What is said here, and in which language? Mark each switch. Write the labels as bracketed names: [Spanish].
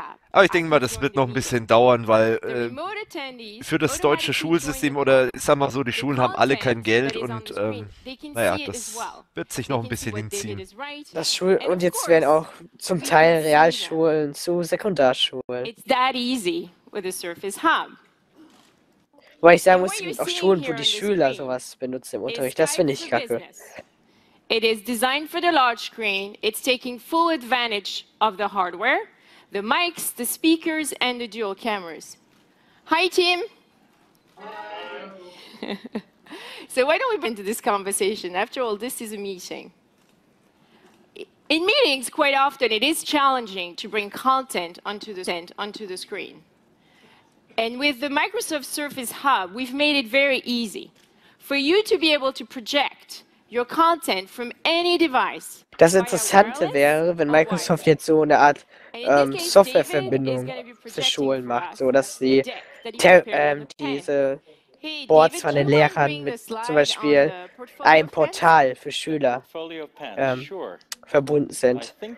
[German] Aber ich denke mal, das wird noch ein bisschen dauern, weil für das deutsche Schulsystem oder ich sag mal so, die Schulen haben alle kein Geld und naja, das wird sich noch ein bisschen hinziehen. Das und jetzt werden auch zum Teil Realschulen zu Sekundarschulen. [English] With a Surface Hub. [German] Weil ich sagen muss, es gibt auch Schulen, wo die Schüler sowas benutzen im Unterricht. Das finde ich kacke. [English] It is designed for the large screen. It's taking full advantage of the hardware, the mics, the speakers and the dual cameras. Hi, team. Hi. So why don't we bring to this conversation? After all, this is a meeting. In meetings, quite often, it is challenging to bring content onto the screen. And with the Microsoft Surface Hub, we've made it very easy for you to be able to project your content from any device. [German] Das Interessante wäre, wenn Microsoft jetzt so eine Art Softwareverbindung für Schulen macht, so dass sie diese Boards von den Lehrern mit zum Beispiel einem Portal für Schüler verbunden sind.